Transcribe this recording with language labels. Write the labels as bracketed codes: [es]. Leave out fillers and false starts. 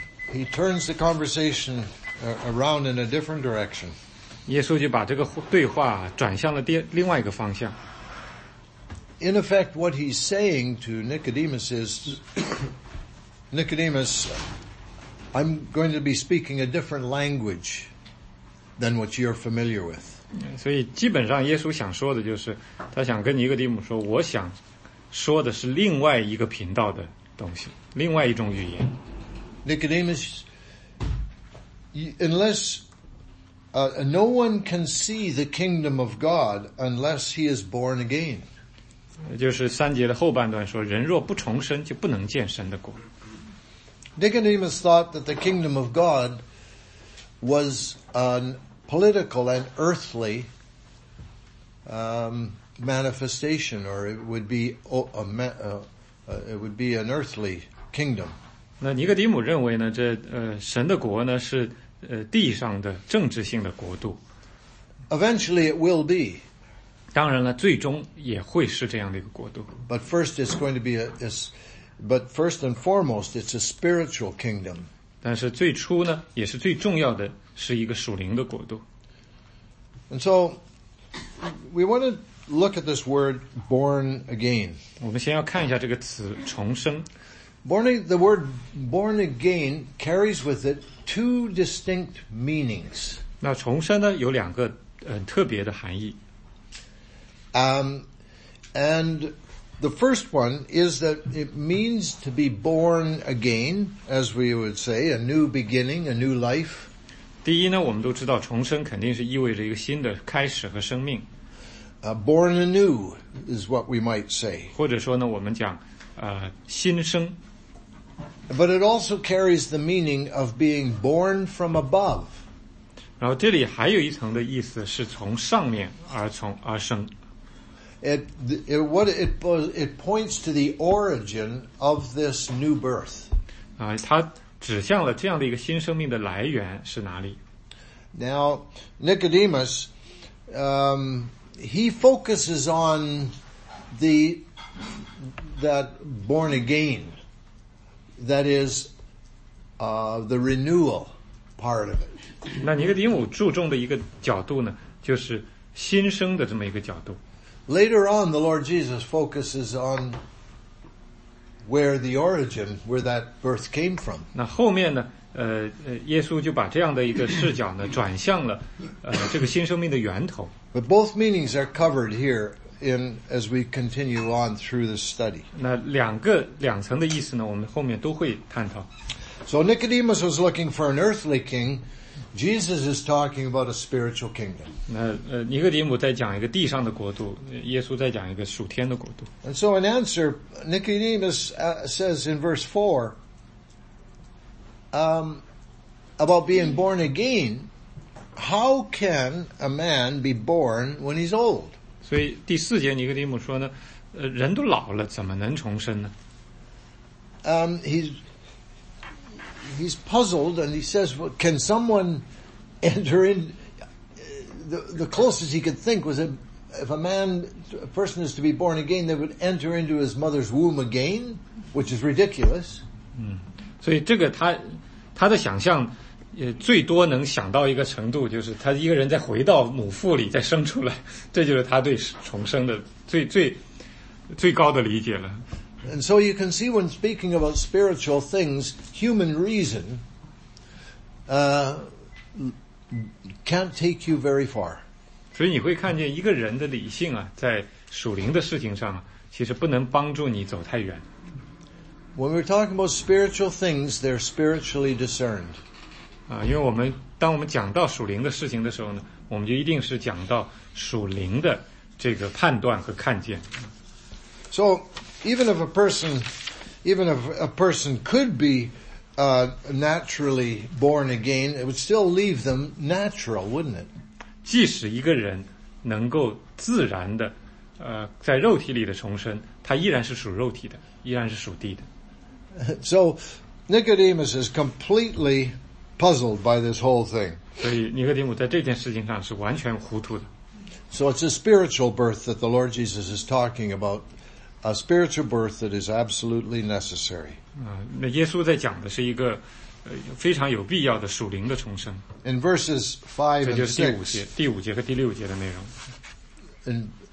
[en] He turns the conversation around in a different direction. [zh] 耶稣就把这个对话转向了另外一个方向。 [en] In effect, what he's saying to Nicodemus is, Nicodemus, I'm going to be speaking a different language than what you're familiar with. [zh] 所以基本上耶稣想说的就是，他想跟尼哥底母说，我想说的是另外一个频道的东西，另外一种语言。 [en] Nicodemus, unless... no one can see the kingdom of God unless he is born again. [zh] 就是三节的后半段说，人若不重生，就不能见神的国。 [en] Nicodemus thought that the kingdom of God was a political and earthly manifestation, or it would be it would be an earthly kingdom. [zh] 那尼哥底母认为呢，这神的国呢是。地上的政治性的国度 [en] Eventually it will be [zh] 当然了最终也会是这样的一个国度 [en] But first it's going to be but first and foremost it's a spiritual kingdom [zh] 但是最初呢也是最重要的是一个属灵的国度 [en] And so we want to look at this word born again [zh] 我们先要看一下这个词重生 [en] The word born again carries with itTwo distinct meanings. [zh] 那重生呢有两个特别的含义。 [en] And the first one is that it means to be born again, as we would say, a new beginning, a new life. [zh] 第一呢我们都知道重生肯定是意味着一个新的开始和生命。 [en] born anew is what we might say. [zh] 或者说呢，我们讲，新生。 [en] But it also carries the meaning of being born from above. [zh] 然后这里还有一层的意思是从上面而生。 [en] It points to the origin of this new birth. [zh] 啊，它指向了这样的一个新生命的来源是哪里。 [en] Now, Nicodemus, he focuses on that born again. That is, the renewal part of it. [zh] 那尼格丁姆注重的一个角度呢，就是新生的这么一个角度。 [en] Later on, the Lord Jesus focuses on where the origin, where that birth came from. [zh] 那后面呢？耶稣就把这样的一个视角呢，转向了这个新生命的源头。 [en] But both meanings are covered here in as we continue on through the study. [zh] 那两层的意思呢，我们后面都会探讨。 [en] So Nicodemus was looking for an earthly king. Jesus is talking about a spiritual kingdom. [zh] 那尼哥底母在讲一个地上的国度，耶稣在讲一个属天的国度。 [en] And so in answer, Nicodemus says in verse 4, about being born again, how can a man be born when he's old? [zh] 所以第四节尼哥底母说呢，人都老了，怎么能重生呢？ [en] He's puzzled and he says, well, can someone enter in? The closest he could think was if a person is to be born again, they would enter into his mother's womb again, which is ridiculous. [zh] 所以这个他的想象最多能想到一个程度，就是他一个人再回到母腹里再生出来，这就是他对重生的最最最高的理解了。 [en] And so you can see when speaking about spiritual things, human reason, can't take you very far. [zh] 所以你会看见一个人的理性啊，在属灵的事情上，其实不能帮助你走太远。 [en] When we're talking about spiritual things, they're spiritually discerned. [zh] 啊，因为当我们讲到属灵的事情的时候呢，我们就一定是讲到属灵的这个判断和看见。 [en] So, even if a person could be, naturally born again, it would still leave them natural, wouldn't it? [zh] 即使一个人能够自然的，在肉体里的重生，他依然是属肉体的，依然是属地的。 [en] So, Nicodemus is completely puzzled by this whole thing. [zh] 所以尼哥底母在这件事情上是完全糊涂的。 [en] So it's a spiritual birth that the Lord Jesus is talking about. A spiritual birth that is absolutely necessary. [zh] 那耶稣在讲的是一个非常有必要的属灵的重生。 [en] In verses 5 and 6. [zh] 这就是第五节和第六节的内容。